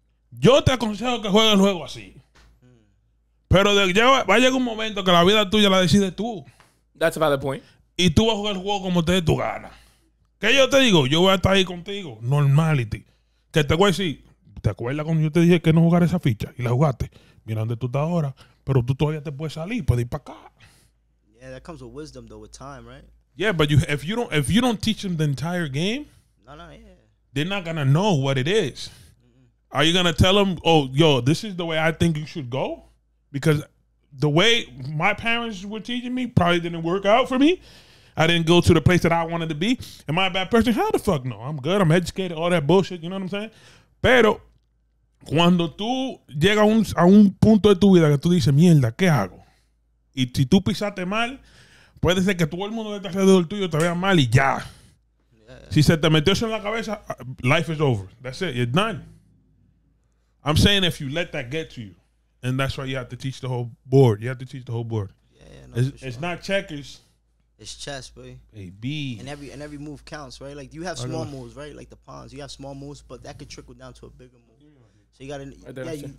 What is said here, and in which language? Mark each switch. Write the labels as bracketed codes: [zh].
[es] Yo te aconsejo que juegues el juego así. Pero va a llegar un momento que la vida tuya la decides tú. [en] That's a valid point. [es] Y tú vas a jugar el juego como te dé tu gana. ¿Qué yo te digo? Yo voy a estar ahí contigo. Normality. Que te voy a decir, ¿te acuerdas cuando yo te dije que no jugar esa ficha? Y la jugaste. Mira dónde tú estás ahora. Pero tú todavía te puedes salir. Puedes ir para acá. [en] Yeah, that comes with wisdom, though, with time, right? Yeah, but if you don't teach them the entire game, no, they're not going to know what it is. Mm-hmm. Are you going to tell them, oh, yo, this is the way I think you should go? Because the way my parents were teaching me probably didn't work out for me. I didn't go to the place that I wanted to be. Am I a bad person? How the fuck no? I'm good. I'm educated. All that bullshit. You know what I'm saying? [es] Pero cuando tú llegas a un punto de tu vida que tú dices, mierda, ¿qué hago? Y si tú pisaste mal, puede ser que todo el mundo de alrededor tuyo te vea mal y ya. [en] Yeah. [es] Si se te metió eso en la cabeza, [en] life is over. That's it. It's done. I'm saying if you let that get to you. And that's why you have to teach the whole board. Yeah, no, it's not checkers. It's chess, boy. A-B. And every move counts, right? Like, you have small moves, right? Like the pawns. You have small moves, but that could trickle down to a bigger move. So you got to...